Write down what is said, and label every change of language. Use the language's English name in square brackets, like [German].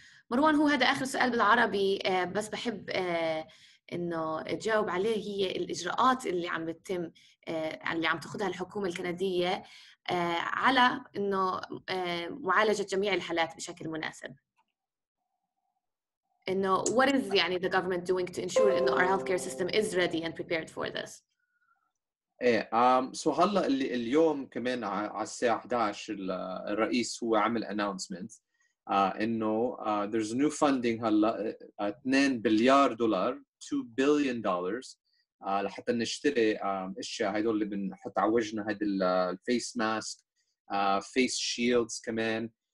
[Arabic] مروان هو هذا آخر سؤال بالعربي بس بحب إنه أجاوب عليه. هي الإجراءات اللي عم بتتم اللي عم تأخذها الحكومة الكندية على إنه معالجة جميع الحالات بشكل مناسب. إنه [English] what is [Arabic] يعني [English] the government doing to ensure إنه our healthcare system is ready and prepared for this. [Arabic] سو هلا اللي اليوم كمان على الساعة 11 الرئيس هو عمل announcement إنه [English] there's new funding [Arabic] هلا 2 بليار دولار [English] 2 billion dollars [Arabic] لحتى نشتري أشياء هيدول اللي بنحط على وجهنا هاد ال face mask face shields كمان